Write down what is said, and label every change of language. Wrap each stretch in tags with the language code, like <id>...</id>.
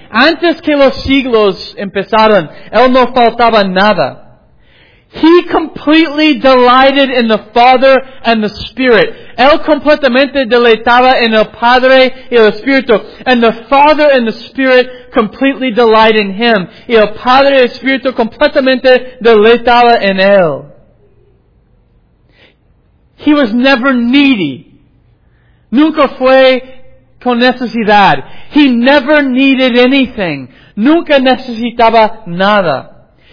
<es>Antes que los siglos empezaran, Él no faltaba nada.</es> <en>He completely delighted in the Father and the Spirit.</en> <es>Él completamente deleitaba en el Padre y el Espíritu.</es> <en>And the Father and the Spirit completely delight in Him.</en> <es>Y el Padre y el Espíritu completamente deleitaba en Él.</es> <en>He was never needy.</en> <es>Nunca fue con necesidad.</es> <en>He never needed anything.</en> <es>Nunca necesitaba nada.</es>